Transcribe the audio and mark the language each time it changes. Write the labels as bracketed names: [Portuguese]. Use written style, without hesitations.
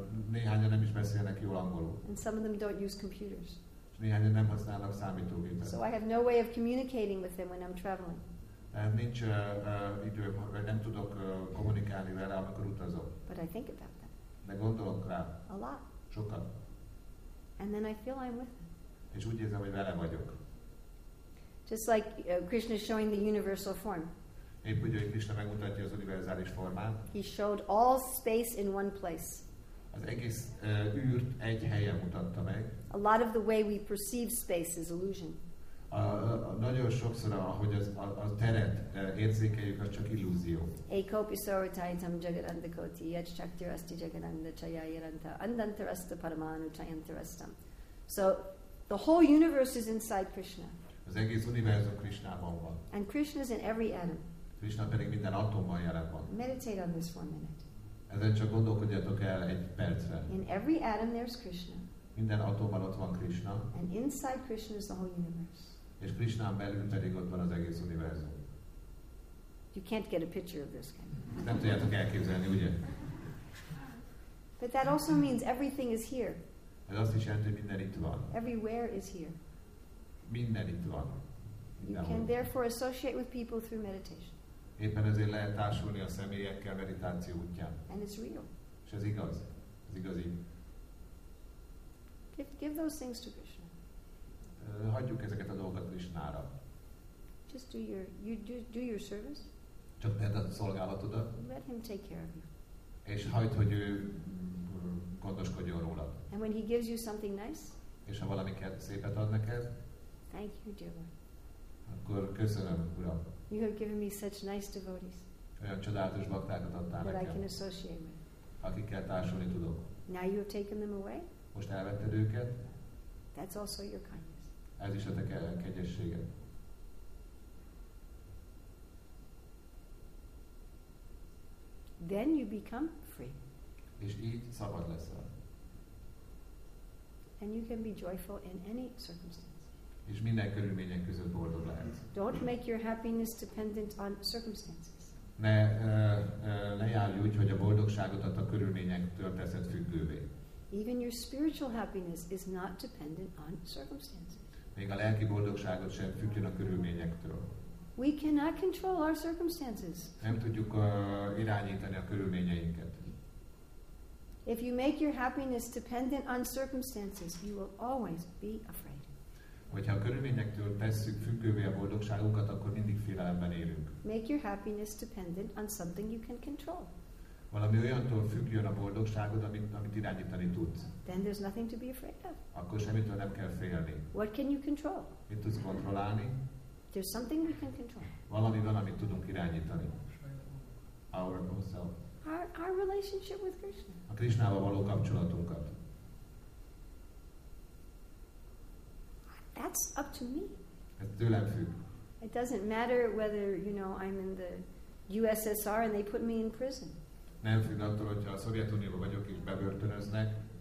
[Hungarian] Néhányan nem is beszélnek jól angolul. [English] And some of them don't use computers. [Hungarian] Néhányan nem használnak számítógépet. [English] So I have no way of communicating with them when I'm traveling. [Hungarian] Nincs idő, nem tudok kommunikálni vele, amikor utazom. [English] But I think about them. [Hungarian] De gondolok rá. [English] A lot. [Hungarian] Sokat. [English] And then I feel I'm with them. [Hungarian] És úgy érzem, hogy vele vagyok. [English] Just like Krishna is showing the universal form. [Hungarian] Épp úgy, hogy Krishna megmutatja az univerzális formát. [English] He showed all space in one place. [Hungarian] Az egész űrt egy helyen mutatta meg. [English] A lot of the way we perceive space is illusion. [Hungarian] Nagyon sokszor, ahogy a teret érzékeljük, az csak illúzió. [Sanskrit] Ekopi sorvatayatam jagadandakoti yajchaktirasti jagadandachayayaranta andantarasta paramanuchayantarastam. [English] So the whole universe is inside Krishna. [Hungarian] Az egész univerzum Krishnában van. [English] And Krishna is in every atom. [Hungarian] Krishna pedig minden atomban jelen van. [English] Meditate on this for a minute. [Hungarian] Ezen csak gondolkodjatok el egy percre. [English] In every atom there's Krishna. [Hungarian] Minden atomban ott van Krishna. [English] And inside Krishna is the whole universe. [Hungarian] És Krishnán belül pedig ott van az egész univerzum. [English] You can't get a picture of this. [Hungarian] Nem tudjátok elképzelni, ugye? [English] But that also means everything is here. [Hungarian] Ez azt is jelenti, hogy minden itt van. [English] Everywhere is here. [Hungarian] Minden itt van. [English] You can therefore associate with people through meditation. [Hungarian] Éppen ezért lehet társulni a személyekkel meditáció útján. [English] And it's real. [Hungarian] És ez igaz. Ez igazi. [English] Give those things to Krishna. [Hungarian] Hagyjuk ezeket a dolgokat Krishnára. [English] Just do your, you do your service. [Hungarian] Csak tedd a szolgálatodat. [English] Let him take care of you. [Hungarian] És hagyd, hogy ő gondoskodjon rólad. [English] And when he gives you something nice. [Hungarian] És ha valami szépet ad neked. [English] Thank you, dear Lord. [Hungarian] Akkor köszönöm, Uram. [English] You have given me such nice devotees. [Hungarian] Olyan csodálatos baktákat adtál [English] that [Hungarian] nekem. [English] I can associate with. [Hungarian] Akikkel társulni tudok. [English] Now you have taken them away. [Hungarian] Most elvetted őket. [English] That's also your kindness. [Hungarian] Ez is a te kegyességed. [English] Then you become free. [Hungarian] És így szabad leszel. [English] And you can be joyful in any circumstance. [Hungarian] És minden körülmények között boldog lehet. [English] Don't make your happiness dependent on circumstances. [Hungarian] Ne lejárj úgy, hogy a boldogságodat a körülményektől teszed függővé. [English] Even your spiritual happiness is not dependent on circumstances. [Hungarian] Még a lelki boldogságot sem függjön a körülményektől. [English] We cannot control our circumstances. [Hungarian] Nem tudjuk irányítani a körülményeinket. [English] If you make your happiness dependent on circumstances, you will always be afraid. [Hungarian] Hogyha a körülményektől tesszük függővé a boldogságunkat, akkor mindig félelemben élünk. [English] Make your happiness dependent on something you can control. [Hungarian] Valami olyantól függjön a boldogságod, amit irányítani tudsz. [English] Then there's nothing to be afraid of. [Hungarian] Akkor semmitől nem kell félni. [English] What can you control? [Hungarian] Mit tudsz kontrollálni? [English] There's something we can control. [Hungarian] Valami van, amit tudunk irányítani. [English] Our own self. Our relationship with Krishna. [Hungarian] A Krishnával való kapcsolatunkat. [English] That's up to me. [Hungarian] Ez tőlem függ. [English] It doesn't matter whether, you know, I'm in the USSR and they put me in prison. [Hungarian] Nem függ attól, hogyha a Szovjetunióban vagyok és bebörtönöznek.